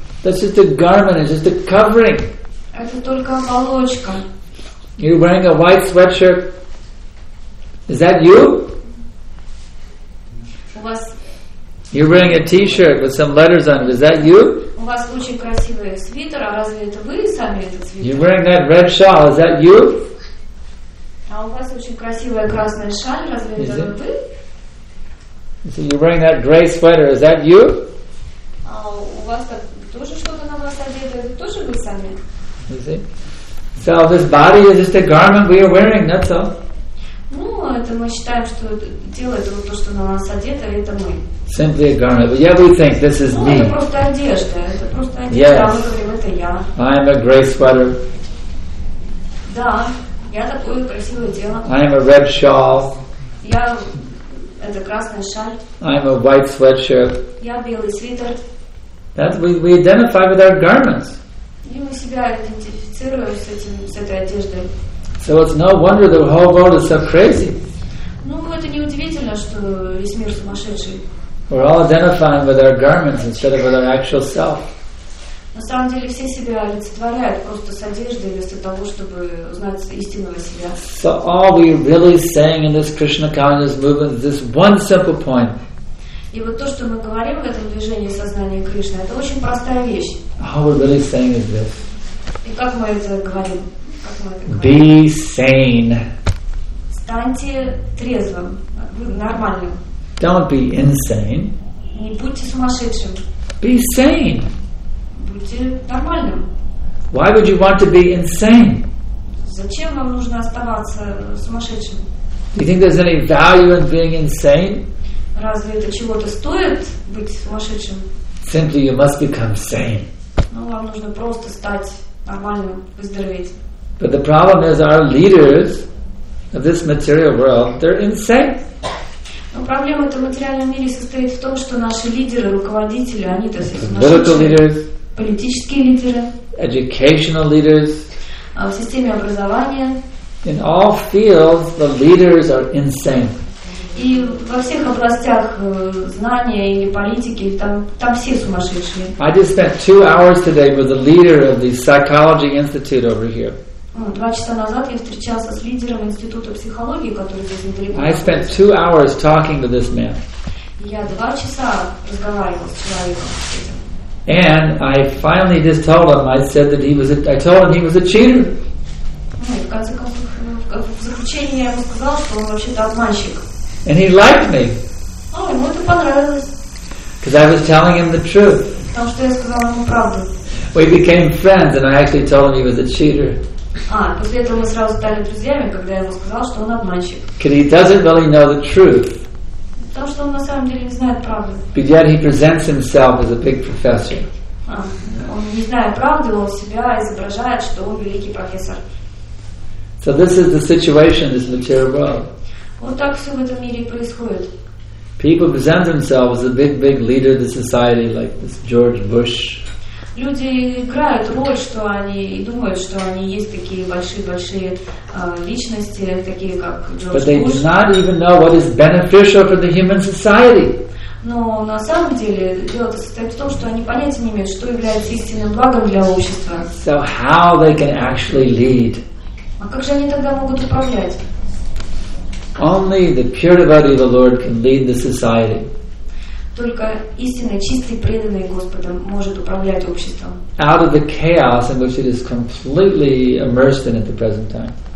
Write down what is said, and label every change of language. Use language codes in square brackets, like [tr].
[en] That's just a garment, it's just a covering. [ru] Это только оболочка. [en] You're wearing a white sweatshirt. Is that you? You're wearing a t-shirt with some letters on it. Is that you? [ru] У вас очень красивый свитер, а разве это вы сами этот свитер? [en] You're wearing that red shawl. Is that you? [ru] А у вас очень красивая красная шаль, разве это вы? [en] So you're wearing that gray sweater. Is that you? [ru] А у вас так тоже что-то на вас одето, это тоже вы сами? [en] You see? So this body is just a garment we are wearing, that's all. [ru] Ну, это мы считаем, что тело это вот то, что на нас одето, это мы. [en] Simply a garment. Yeah, we think this is me. [ru] Ну, это просто одежда. Это просто одежда. Мы говорим, это я. [en] I am a gray sweater. [ru] Да, я такое красивое тело. [en] I am a red shawl. [ru] Я это красная шаль. [en] I am a white sweatshirt. [ru] Я белый свитер. [en] That we identify with our garments. [ru] И мы себя идентифицируем с этим, с этой одеждой. [en] So it's no wonder the whole world is so crazy. [ru] Ну, это не удивительно, что весь мир сумасшедший. [en] We're all identifying with our garments instead of with our actual self. [ru] На самом деле все себя олицетворяют просто с одеждой вместо того, чтобы узнать истинного себя. [en] So all we're really saying in this Krishna consciousness movement is this one simple point. [ru] И вот то, что мы говорим в этом движении сознания Кришны, это очень простая вещь. [en] All we're really saying is this. [ru] И как мы это говорим? [en] Be sane. [ru] Станьте трезвым, нормальным. [en] Don't be insane. [ru] Не будьте сумасшедшим. [en] Be sane. [ru] Будьте нормальным. [en] Why would you want to be insane? [ru] Зачем вам нужно оставаться сумасшедшим? [en] Do you think there's any value in being insane? [ru] Разве это чего-то стоит быть сумасшедшим? [en] Simply you must become sane. [ru] Ну, вам нужно просто стать нормальным, выздороветь. [en] But the problem is our leaders of this material world, they're insane. [ru] Но проблема в материальном мире состоит в том, что наши лидеры, руководители, они то есть политические лидеры, [en] educational leaders, [ru] в системе образования. [en] In all fields, the leaders are insane. [ru] И во всех областях знания или политики там все сумасшедшие. [en] I just spent 2 hours today with the leader of the psychology institute over here. [ru] 2 часа назад я встречался с лидером института психологии, который здесь недалеко. [en] I spent 2 hours talking to this man. [ru] Я 2 часа разговаривал с человеком. [en] And I finally just told him. I said that he was. I told him he was a cheater. [ru] В заключение я ему сказал, что он вообще-то обманщик. [en] And he liked me. [ru] Oh, ему это понравилось. [en] Because I was telling him the truth. [ru] Потому что я сказал ему правду. [en] We became friends, and I actually told him he was a cheater. [ru] После этого мы сразу стали друзьями, когда я ему сказал, что он обманщик. [en] Because he doesn't really know the truth. [ru] Потому что он на самом деле не знает правды. [en] But yet he presents himself as a big professor. [ru] Он не знает правды, он себя изображает, что он великий профессор. [en] So this is the situation in this material world. [ru] Вот так все в этом мире происходит. [en] People present themselves as a big leader of the society, like this George Bush. [ru] Люди играют роль, что они и думают, что они есть такие большие личности, такие как Джордж Буш. [en] But they do not even know what is beneficial for the human society. [ru] Но на самом деле дело состоит в том, что они понятия не имеют, что является истинным благом для общества. [en] So how they can actually lead? [ru] А как же они тогда могут управлять? [en] Only the pure devotee of the Lord can lead the society. [ru] Только истинный, чистый, преданный Господом может управлять обществом. [en] Out of the chaos in which it is completely immersed in at the present time.